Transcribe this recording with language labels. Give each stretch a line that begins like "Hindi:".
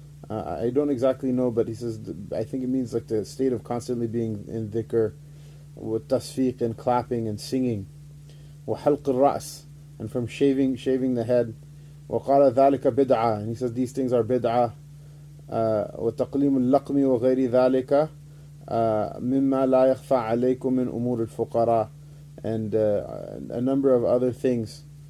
English: I don't exactly know, but he says, I think it means like the state of constantly being in dhikr, with tasfiq and clapping and singing.
Arabic: وحلق الرأس,
English: and from shaving the head.
Arabic: وقال ذلك بدعة,
English: and he says these things are بدعة.
Arabic: وتقليم اللقم وغير ذلك مما لا يخفى عليكم من أمور الفقراء.
English: And a number of other things.